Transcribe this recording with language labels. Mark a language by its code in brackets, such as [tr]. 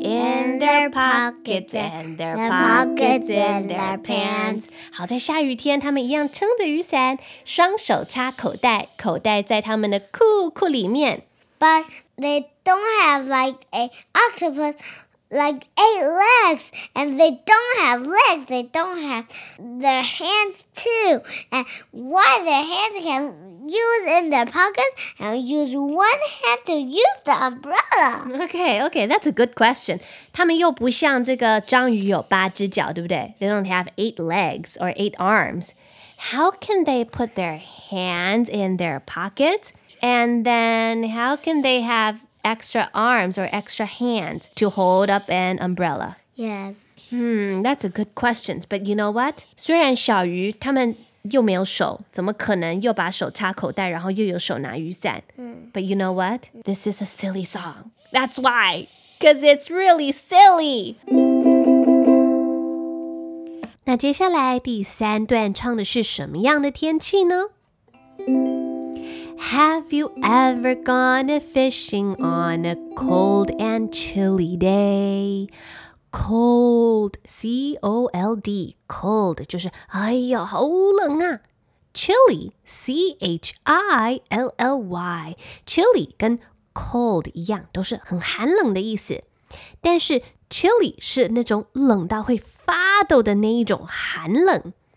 [en] in their pockets and their pockets in their pants [zh] 好在下雨天他们一样撑着雨伞双手插口袋口袋在他们的裤裤里面 [en] But they don't have like a octopus like eight legs and they don't have legs they don't have their hands too and why their hands can use in their pockets and use one hand to use the umbrella okay that's a good question [zh] 他们又不像这个章鱼有八只脚对不对 [en] they don't have eight legs or eight arms how can they put their hands in their pockets and then how can they haveextra arms or extra hands to hold up an umbrella? Yes. That's a good question. But you know what? [zh] 虽然小鱼他们又没有手怎么可能又把手插口袋然后又有手拿雨伞、 [en] But you know what? This is a silly song. That's why. Because it's really silly. [zh] 那接下来第三段唱的是什么样的天气呢？ [en] Have you ever gone a fishing on a cold and chilly day? [zh] Cold, C-O-L-D, cold, 就是哎呀好冷啊。 Chilly, C-H-I-L-L-Y, chilly 跟 cold 一样都是很寒冷的意思。但是 chilly 是那种冷到会发抖的那一种寒冷。